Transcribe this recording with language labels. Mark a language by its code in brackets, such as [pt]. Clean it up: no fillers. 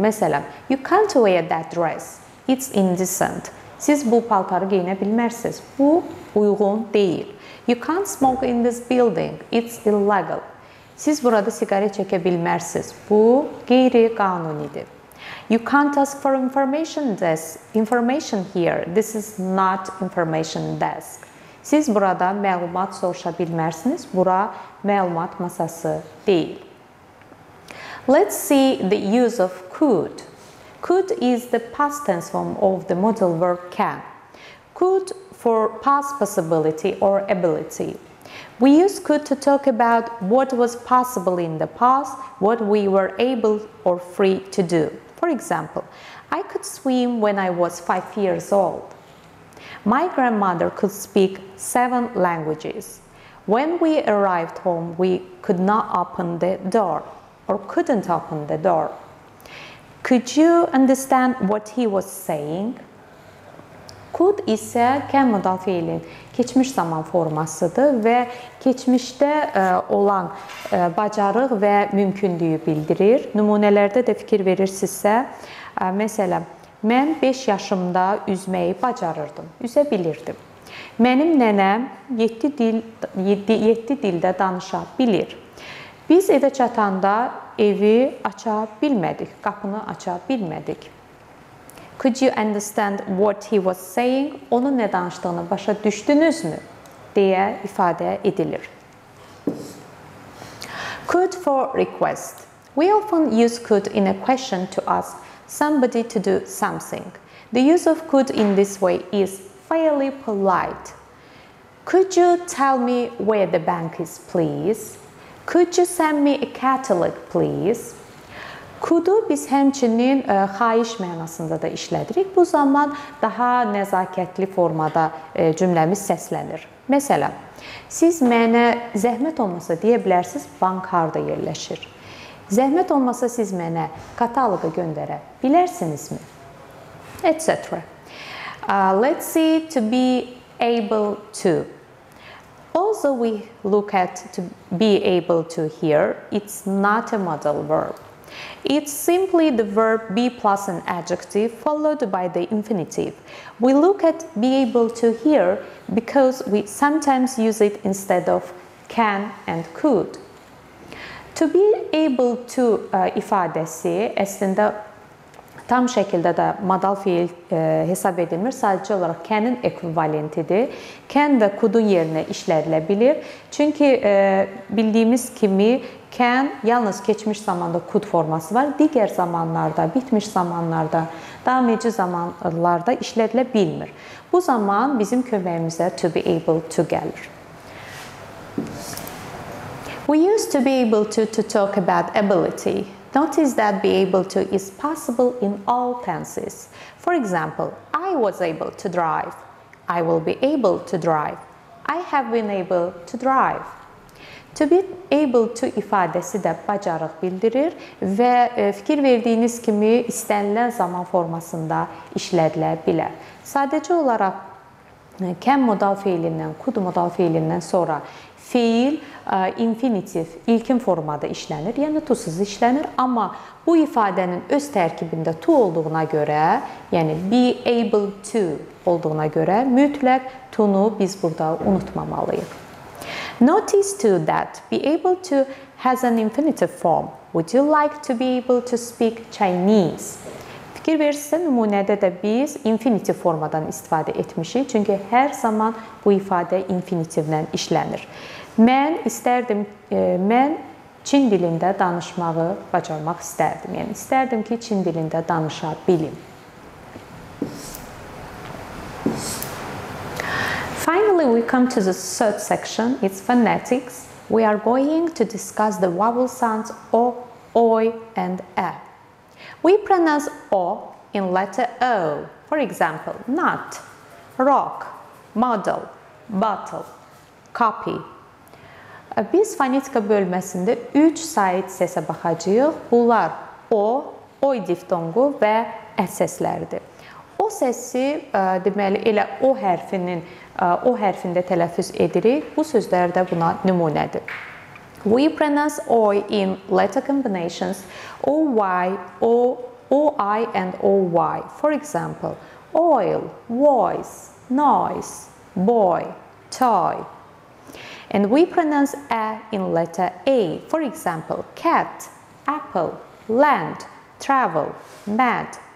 [az] Məsələn, [en] you can't wear that dress. It's indecent. [az] Siz bu paltarı geyinə bilmərsiniz. Bu, uyğun deyil. [en] You can't smoke in this building. It's illegal. [az] Siz burada siqaret çəkə bilmərsiniz. Bu, qeyri-qanunidir. [en] You can't ask for information desk. Information here. This is not information desk. [az] Siz burada məlumat soruşa bilmərsiniz. Bura məlumat masası deyil. [en] Let's see the use of could. Could is the past tense form of the modal verb can. Could for past possibility or ability. We use could to talk about what was possible in the past, what we were able or free to do. For example, I could swim when I was 5 years old. My grandmother could speak 7 languages. When we arrived home, we could not open the door or couldn't open the door. Could you understand what he was saying? [az] Could isə can modal fiilin keçmiş zaman formasıdır və keçmişdə olan bacarıq və mümkünlüyü bildirir. Nümunələrdə də fikir verirsinizsə, məsələn, mən 5 yaşımda üzməyi bacarırdım, üzə bilirdim. Mənim nənəm 7 dildə danışa bilir. Biz evə çatanda evi aça bilmədik, qapını aça bilmədik. [en] Could you understand what he was saying? [az] Onun nə danışdığını başa düşdünüzmü? Deyə ifadə edilir. [en] Could for request. We often use could in a question to ask somebody to do something. The use of could in this way is fairly polite. Could you tell me where the bank is, please? Could you send me a catalog, please? [az] Could-u biz həmçinin xahiş mənasında da işlədirik. Bu zaman daha nəzakətli formada cümləmiz səslənir. Məsələn, siz mənə zəhmət olmasa deyə bilərsiniz, bank harada yerləşir. Zəhmət olmasa siz mənə kataloqa göndərə bilərsinizmi? [en] Etc. Let's see to be able to. Although we look at to be able to here, it's not a modal verb. It's simply the verb be plus an adjective followed by the infinitive. We look at be able to hear because we sometimes use it instead of can and could. [az] To be able to ifadəsi əslində tam şəkildə də modal fiil hesab edilmir, sadəcə olaraq can-ın ekvivalentidir. Can və could-un yerinə işlədilə bilir. Çünki bildiyimiz kimi can yalnız keçmiş zamanda could forması var, digər zamanlarda, bitmiş zamanlarda, daha mevcu zamanlarda işlədilə bilmir. Bu zaman bizim köməyimizə to be able to gəlir. [en] We used to be able to talk about ability. Notice that be able to is possible in all tenses. For example, I was able to drive. I will be able to drive. I have been able to drive. [az] To be able to ifadəsi də bacarıq bildirir və fikir verdiyiniz kimi istənilən zaman formasında işlədilə bilər. Sadəcə olaraq can modal fiilindən, could modal fiilindən sonra fiil infinitiv ilkin formada işlənir, yəni to-suz işlənir, amma bu ifadənin öz tərkibində to olduğuna görə, yəni be able to olduğuna görə mütləq to-nu biz burada unutmamalıyıq. [en] Notice too that be able to has an infinitive form. Would you like to be able to speak Chinese? [az] Fikir verirsiniz, nümunədə də biz infinitiv formadan istifadə etmişik, çünki hər zaman bu ifadə infinitivlə işlənir. Mən istərdim, mən Çin dilində danışmağı bacarmaq istərdim. Yəni, istərdim ki, Çin dilində danışa bilim. [en] Finally, we come to the third section. It's phonetics. We are going to discuss the vowel sounds O, OY and E. We pronounce O in letter O. For example, nut, rock, model, bottle, copy. [az] Biz fonetika bölməsində 3 sayt səsə baxacağıq. Bunlar O, OY diftongu və Ə səsləridir. O səsi, deməli, elə O hərfinin O hərfində tələffüz edirik. Bu sözlər də buna nümunədir. [en] We pronounce OY in letter combinations OY, OI and OY. For example, oil, voice, noise, boy, toy. And we pronounce A in letter A. For example, cat, apple, land, travel, mad.